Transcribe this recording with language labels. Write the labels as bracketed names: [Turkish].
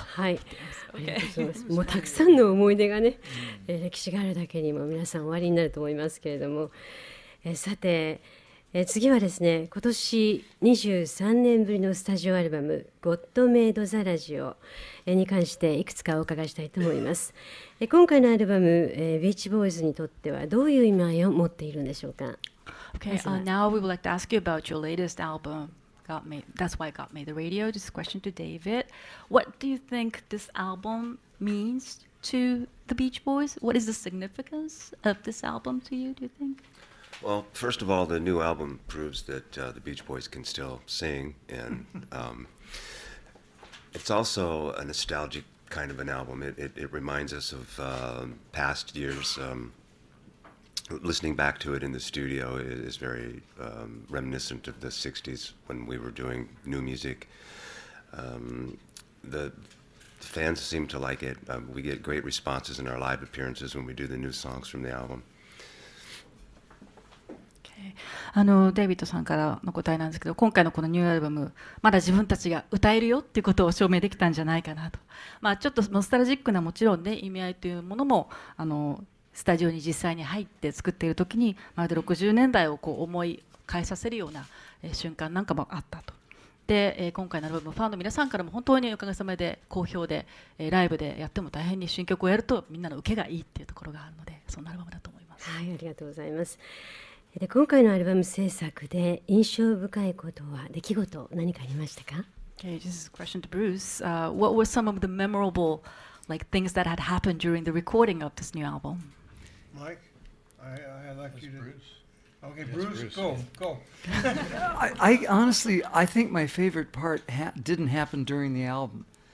[Japanese] はい、ありがとうございます。もうたくさんの思い出がね、歴史があるだけにも皆さんおありになると思いますけれども、さて、次はですね今年23年ぶりのスタジオアルバム God Made the Radio に関していくつかお伺いしたいと思います。今回のアルバム、ビーチボーイズにとってはどういう意味を持っているんでしょうか。 [English] Now we would like to ask you about your latest album Got Made, That's Why Got Made the Radio. This question to David: What do you think this album means to the Beach Boys? What is the significance of this album to you, do you think? Well, first of all, the new album proves that the Beach Boys can still sing, and it's also a nostalgic kind of an album. It reminds us of past years. Listening back to it in the studio is very reminiscent of the 60s when we were doing new music. The fans seem to like it. We get great responses in our live appearances when we do the new songs from the album. [Japanese] あのデイビッドさんからの答えなんですけど、今回のこのニューアルバムまだ自分たちが歌えるよっていうことを証明できたんじゃないかなと、まあ、ちょっとノスタルジックなもちろんね意味合いというものもあのスタジオに実際に入って作っている時にまるで60年代をこう思い返させるような瞬間なんかもあったと。で、今回のアルバムファンの皆さんからも本当におかげさまで好評で、ライブでやっても大変に新曲をやるとみんなの受けがいいっていうところがあるのでそんなアルバムだと思います。はい、ありがとうございます。で今回のアルバム制作で印象深いことは出来事何かありましたか。 [English] Okay, this is a question to Bruce. What were some of the memorable like, things that had happened during the recording of this new album? Mike, I'd like you to... Bruce. Okay, yes, Bruce, go, go. I honestly think my favorite part didn't happen during the album.